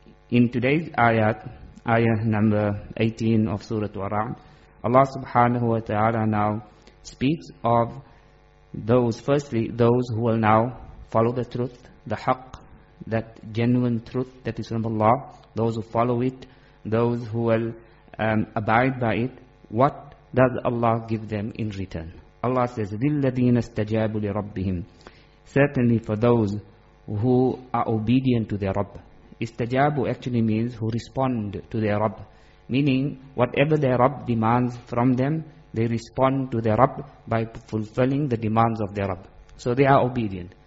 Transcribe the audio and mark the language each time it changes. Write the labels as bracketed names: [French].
[English] In today's ayat, ayah number 18 of Surah Al-Ra'd, Allah subhanahu wa ta'ala now speaks of those, firstly, those who will now follow the truth, the haqq, that genuine truth that is from Allah, those who follow it, those who will abide by it, what does Allah give them in return? Allah says, [Arabic] لِلَّذِينَ اسْتَجَابُ لِرَبِّهِمْ. [English] Certainly for those who are obedient to their Rabb. Istajabu actually means who respond to their Rabb, meaning whatever their Rabb demands from them, they respond to their Rabb by fulfilling the demands of their Rabb. So they are obedient.